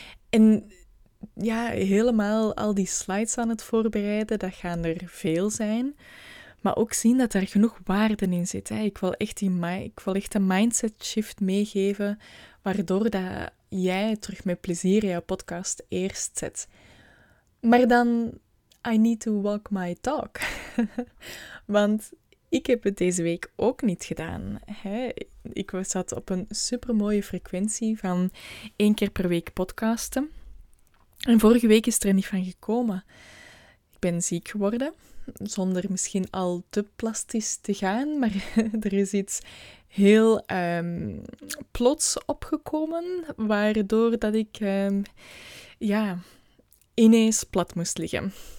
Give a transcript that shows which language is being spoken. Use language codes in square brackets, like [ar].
[nl] En ja, helemaal al die slides aan het voorbereiden. Dat gaan er veel zijn. Maar ook zien dat er genoeg waarde in zit. Ik wil echt een mindset shift meegeven, waardoor dat jij terug met plezier jouw podcast eerst zet. Maar dan, [en] I need to walk my talk. [nl] Want ik heb het deze week ook niet gedaan. Ik zat op een supermooie frequentie van 1 keer per week podcasten. En vorige week is er niet van gekomen. Ik ben ziek geworden. Zonder misschien al te plastisch te gaan, maar er is iets heel plots opgekomen, waardoor dat ik ineens plat moest liggen.